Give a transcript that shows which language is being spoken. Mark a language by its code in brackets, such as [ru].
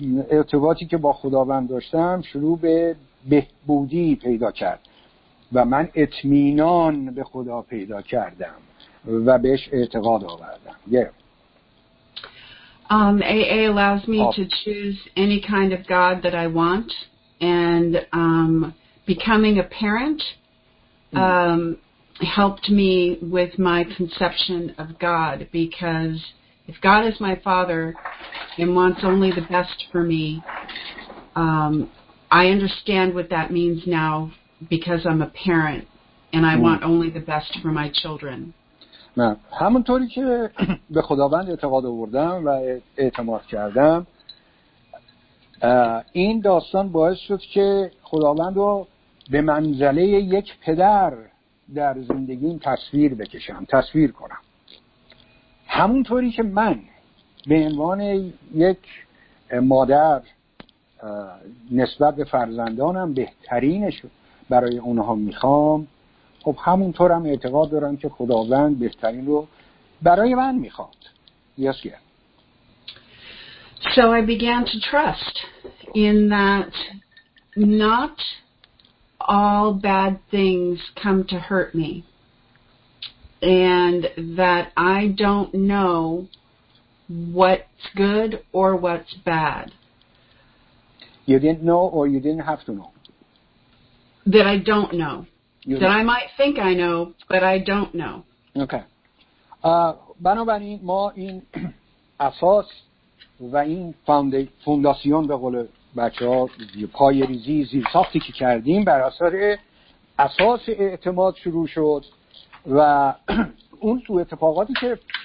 [fa] ارتباطی که با خداوند داشتم شروع به بهبودی پیدا کرد و من اطمینان به خدا پیدا کردم و بهش اعتقاد آوردم. [en] AA allows me to choose any kind of God that I want, and becoming a parent helped me with my conception of God, because if God is my father and wants only the best for me, I understand what that means now because I'm a parent and I want only the best for my children. [fa] من همونطوری که به خداوند اعتقاد آوردم و اعتماد کردم، این داستان باعث شد که خداوند رو به منزله یک پدر در زندگیم تصویر بکشم، تصویر کنم. همونطوری که من به عنوان یک مادر نسبت به فرزندانم بهترینش برای اونها میخوام، خب همونطور هم اعتقاد دارم که خداوند بهترین رو برای من میخواد. [en] Yes, yeah. So I began to trust in that not all bad things come to hurt me, and that I don't know what's good or what's bad. You didn't know or you didn't have to know? That I don't know. That I might think I know, but I don't know. Okay. [fa] بنابراین ما این اساس و این فونداسیون به قول بچه ها پای ریزی زیر ساختی که کردیم بر اساس اعتماد شروع شد و اون سو اتفاقاتی که